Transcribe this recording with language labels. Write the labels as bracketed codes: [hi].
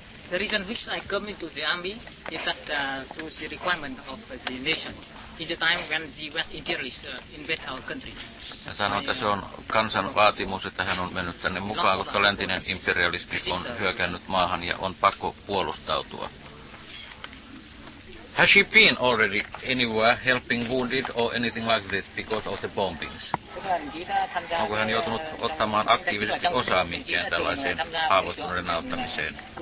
[en] The reason which I come into the army is that through the requirement of the nation. It's the time when the West imperialists invade our country. [fi] Hän sanoi, että se on kansan vaatimus, että hän on mennyt tänne mukaan, koska läntinen imperialismi on hyökännyt maahan ja on pakko puolustautua. [en] Has she been already anywhere helping wounded or anything like this because of the bombings? [fi] Onko hän joutunut ottamaan aktiivisesti osaa mihinkään tällaiseen haavoittuneiden auttamiseen?